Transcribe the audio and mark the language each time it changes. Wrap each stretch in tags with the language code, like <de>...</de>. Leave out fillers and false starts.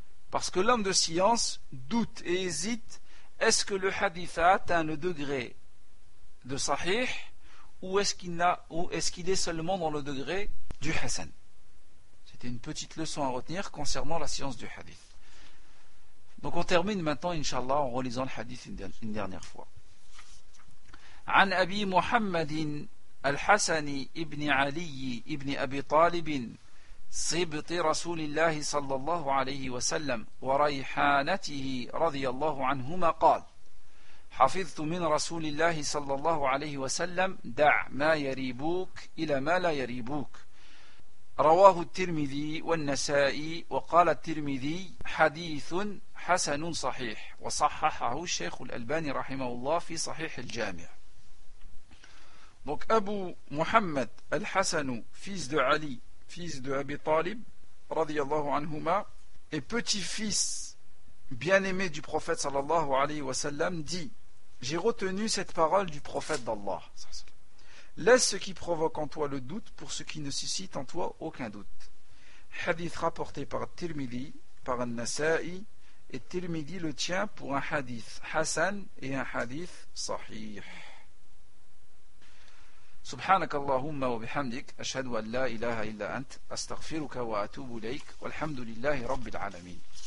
<fr>Parce que l'homme de science doute et hésite, est-ce que le hadith a atteint le degré de sahih ou est-ce qu'il est seulement dans le degré du hasan. C'était une petite leçon à retenir concernant la science du hadith. Donc on termine maintenant, inshallah, en relisant le hadith une dernière fois.</fr> <ar>عن أبي محمد الحسن ابن علي ابن أبي طالب صبط رسول الله صلى الله عليه وسلم وريحانته رضي الله عنهما قال حفظت من رسول الله صلى الله عليه وسلم دع ما يريبوك إلى ما لا يريبوك رواه الترمذي والنسائي وقال الترمذي حديث حسن صحيح وصححه الشيخ الألباني رحمه الله في صحيح الجامع.</ar> <fr>Donc Abu Muhammad al-Hassan, fils de Ali, fils de Abi Talib, radiyallahu anhuma, et petit-fils bien-aimé du prophète sallallahu alayhi wa sallam, dit « J'ai retenu cette parole du prophète d'Allah. Laisse ce qui provoque en toi le doute pour ce qui ne suscite en toi aucun doute. » Hadith rapporté par Tirmidhi, par Al-Nasa'i, et Tirmidhi le tient pour un hadith Hassan et un hadith Sahih.</fr> <ar>سبحانك اللهم وبحمدك أشهد أن لا إله إلا أنت أستغفرك وأتوب إليك والحمد لله رب العالمين.</ar>